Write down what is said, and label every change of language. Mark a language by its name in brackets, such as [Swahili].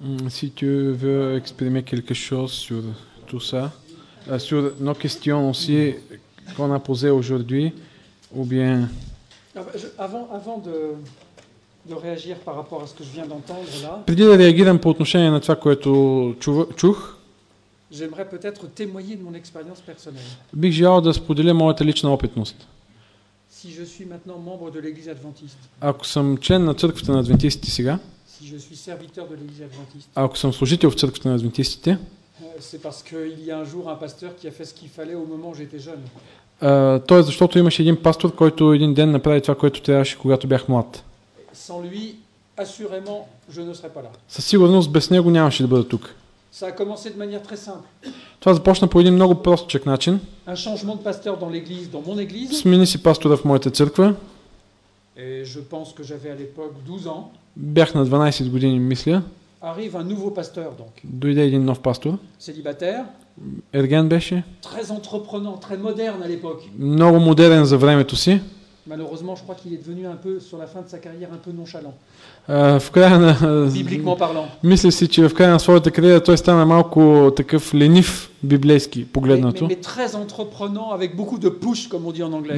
[French] Si tu veux exprimer quelque chose sur tout ça, sur nos questions aussi qu'on a posées aujourd'hui, ou bien... Avant de réagir par rapport à ce que je viens d'entendre là... [Bulgarian] Преди да реагирам по отношение на това, което чух, [French] j'aimerais peut-être témoigner de mon expérience personnelle. [Bulgarian] Бих желал да споделя моята лична опитност. [French] Si je suis maintenant membre de l'église adventiste. [Bulgarian] Ако съм член на църквата на адвентистите сега. [French] Si je suis serviteur de l'église adventiste. [Bulgarian] Ако съм служител в църквата на адвентистите. [French] C'est parce qu'il y a un jour un pasteur qui a fait ce qu'il fallait au moment où j'étais jeune. [Bulgarian] Тоест, защото имаше един пастор, който един ден направи това, което трябваше, когато бях млад. [French] Sans lui, assurément, je ne serais pas là. [Bulgarian] Със сигурност без него нямаше да бъда тук. [French] Ça a commencé de manière très simple. [Bulgarian] Това започна по един много простичък начин. [French] Un changement de pasteur dans l'église, dans mon église. [Bulgarian] Смени си пастора в моята църква. [French] Et je pense que j'avais à l'époque 12 ans. [Bulgarian] Бях на 12 години, мисля. [French] Arrive un nouveau pasteur donc. [Bulgarian] Дойде един нов пастор. [French] Célibataire. [Bulgarian] Ерген беше. [French] Très entreprenant, très moderne à l'époque. [Bulgarian] Много модерен за времето си. [French] Malheureusement, je crois qu'il est devenu un peu sur la fin de sa carrière un peu nonchalant. Bibliquement parlant. [Bulgarian] Мисля си, че в края на своята кариера той стана малко такъв ленив библейски погледнато. [French] Mais très entreprenant avec beaucoup de push comme on dit en anglais.